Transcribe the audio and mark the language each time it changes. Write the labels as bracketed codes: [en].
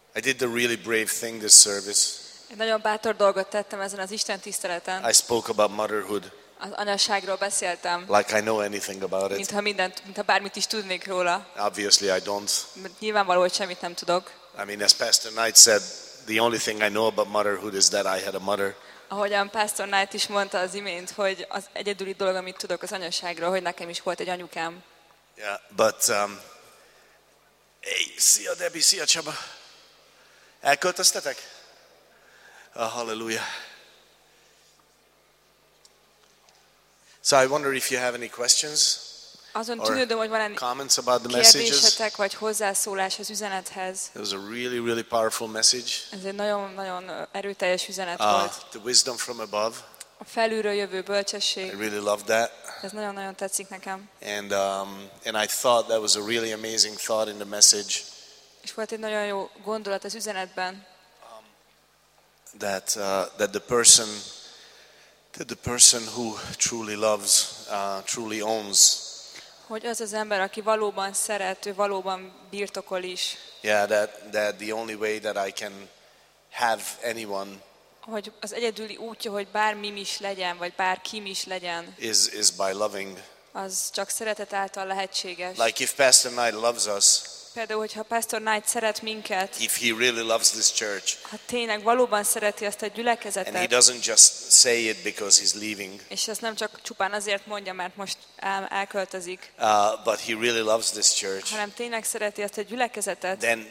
[en] I did the really brave thing this service. [hu] Én nagyon bátor dolgot tettem ezen az Isten tiszteleten. [en] I spoke about motherhood. [hu] Az anyaságról beszéltem. [en] Like I know anything about it. [hu] Mintha bármit is tudnék róla. [en] Obviously I don't. [hu] Nyilvánvaló, hogy semmit nem tudok. [en] I mean, as Pastor Knight said, the only thing I know about motherhood is that I had a mother. [hu] Ahogyan Pastor Knight is mondta az imént, hogy az egyedüli dolog, amit tudok az anyaságról, hogy nekem is volt egy anyukám. [en] Yeah, but hey, [hu] szia Debbie, szia Csaba. Elköltöztetek? Oh, hallelujah. [en] So I wonder if you have any questions. [hu] Azon tűnődöm, hogy van-e kérdésetek, vagy hozzászólás az üzenethez. [en] It was a really, really powerful message. [hu] Ez egy nagyon, nagyon erőteljes üzenet volt. [en] The wisdom from above. [hu] A felülről jövő bölcsesség. [en] I really loved that. [hu] Ez nagyon, nagyon tetszik nekem. [en] And I thought that was a really amazing thought in the message. [hu] És volt egy nagyon jó gondolat az üzenetben. [en] That the person who truly loves, truly owns. [hu] Hogy az az ember, aki valóban szeret, ő valóban birtokol is. [en] Yeah, that the only way that I can have anyone. [hu] Hogy az egyedüli útja, hogy bármim is legyen, vagy bárkim is legyen. [en] Is by loving. [hu] Az csak szeretet által lehetséges. [en] Like if Pastor Knight loves us. [hu] Például, hogyha Pastor Knight szeret minket. [en] If he really loves this church. [hu] Ha tényleg valóban szereti ezt a gyülekezetet. [en] And he doesn't just say it because he's leaving. [hu] És ezt nem csak csupán azért mondja, mert most elköltözik. [en] But he really loves this church. [hu] Hanem tényleg szereti ezt a gyülekezetet.